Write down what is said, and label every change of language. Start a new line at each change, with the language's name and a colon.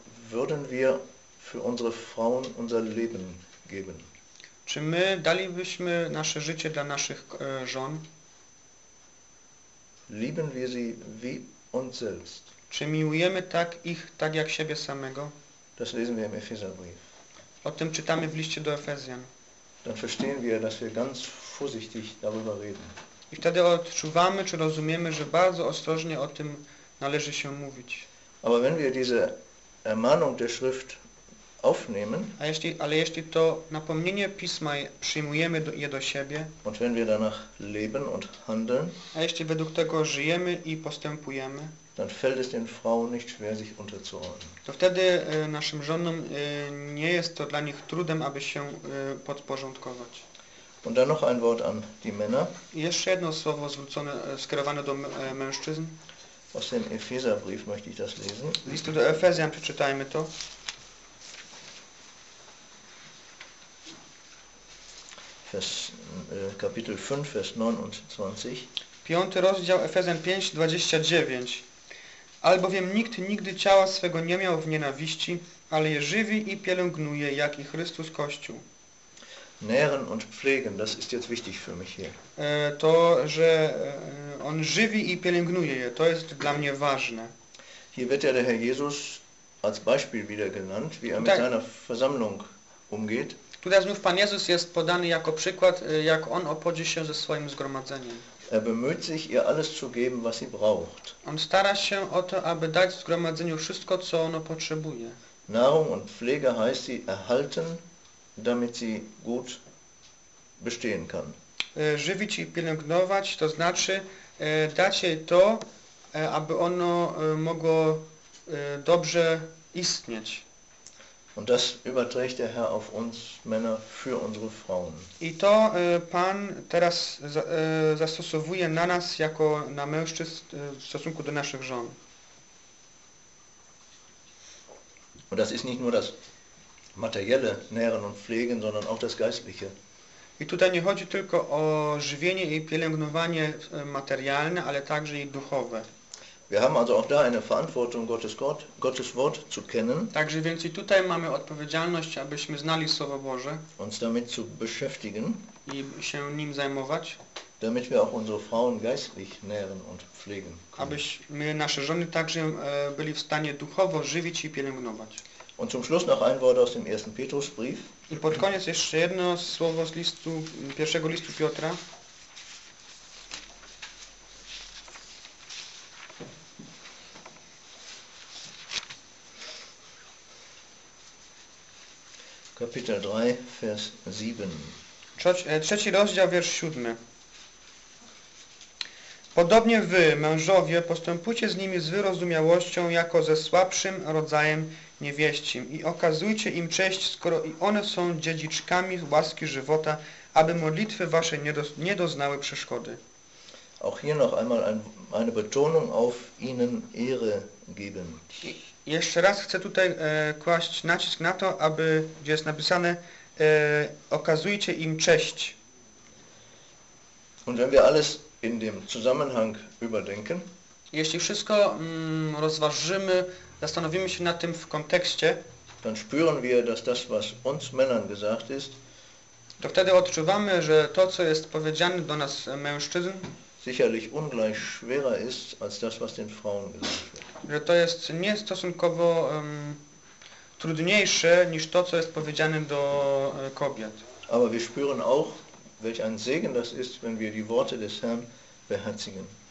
German: Würden wir für unsere Frauen unser Leben geben?
Polish: Czy my dalibyśmy nasze życie dla naszych żon?
German: Lieben wir sie wie uns selbst?
Polish: Czy miłujemy tak ich, tak jak siebie samego?
German: Das lesen wir im Epheserbrief.
Polish: O tym czytamy w liście do Efezjan.
German: Dann verstehen wir, dass wir ganz vorsichtig darüber reden.
Polish: I wtedy odczuwamy, czy rozumiemy, że bardzo ostrożnie o tym należy się mówić.
German: Aber wenn wir diese Ermahnung der Schrift aufnehmen,
Polish: ale jeśli to napomnienie Pisma przyjmujemy je do siebie,
German: und wenn wir danach leben und handeln,
Polish: a jeśli według tego żyjemy i postępujemy,
German: dann fällt es den Frauen nicht schwer, sich unterzuordnen.
Polish: To wtedy naszym żonom nie jest to dla nich trudem, aby się podporządkować.
German: Und dann noch ein Wort an die Männer.
Polish: I jeszcze jedno słowo skierowane do mężczyzn.
German: Aus dem Epheserbrief möchte ich das lesen.
Polish: Listu do Efezjan przeczytajmy to.
German: Kapitel 5, Vers 29.
Polish: Piąty rozdział Efezjan 5, 29. Albowiem nikt nigdy ciała swego nie miał w nienawiści, ale je żywi i pielęgnuje, jak i Chrystus Kościół.
German: Nähren und pflegen, das ist jetzt wichtig für mich hier.
Polish: To, że on żywi i pielęgnuje je, to jest dla mnie ważne.
German: Hier wird ja der Herr Jesus als Beispiel wieder genannt, wie er mit seiner Versammlung umgeht.
Polish: Tutaj znów Pan Jezus jest podany jako przykład, jak on obchodzi się ze swoim zgromadzeniem.
German: Er bemüht sich, ihr alles zu geben, was sie braucht.
Polish: On stara się o to, aby dać zgromadzeniu wszystko, co ono potrzebuje.
German: Nahrung und Pflege heißt sie erhalten, damit sie gut bestehen kann.
Polish: Żywić i pielęgnować, to znaczy dać jej to, aby ono mogło dobrze istnieć.
German: Und das überträgt der Herr auf uns Männer für unsere Frauen.
Polish: I to Pan teraz zastosowuje na nas jako na mężczyzn w stosunku do naszych żon.
German: Und das ist nicht nur das materielle nähren und pflegen, sondern auch das geistliche.
Polish: I tutaj nie chodzi tylko o żywienie i pielęgnowanie materialne, ale także i duchowe.
German: Wir haben also auch da eine Verantwortung, Gottes Wort zu kennen.
Polish: Także więc i tutaj mamy odpowiedzialność, abyśmy znali Słowo Boże.
German: Uns damit zu beschäftigen.
Polish: I się nim zajmować.
German: Damit wir auch unsere Frauen geistlich nähren und pflegen können.
Polish: Abyśmy nasze żony także byli w stanie duchowo żywić i pielęgnować.
German: Und zum Schluss noch ein Wort aus dem ersten Petrusbrief.
Polish: I pod koniec jeszcze jedno słowo z listu, pierwszego listu Piotra.
German: Kapitel 3, Vers 7.
Polish: Trzeci rozdział, wiersz 7. Podobnie wy, mężowie, postępujcie z nimi z wyrozumiałością jako ze słabszym rodzajem niewieścim i okazujcie im cześć, skoro i one są dziedziczkami łaski żywota, aby modlitwy wasze nie doznały przeszkody.
German: Auch hier noch einmal eine Betonung auf ihnen Ehre geben.
Polish: Jeszcze raz chcę tutaj kłaść nacisk na to, aby, gdzie jest napisane, okazujcie im cześć.
German: Und wenn wir alles in dem Zusammenhang überdenken,
Polish: jeśli wszystko rozważymy, zastanowimy się nad tym w kontekście,
German: dann spüren wir, dass das, was uns Männern gesagt ist,
Polish: to wtedy odczuwamy, że to, co jest powiedziane do nas mężczyzn,
German: sicherlich ungleich schwerer ist als das, was den Frauen gesagt wird.
Polish: Że to jest niestosunkowo trudniejsze niż to, co jest powiedziane do kobiet.
German: Aber wir spüren auch, welch ein Segen das ist, wenn wir die Worte des Herrn beherzigen.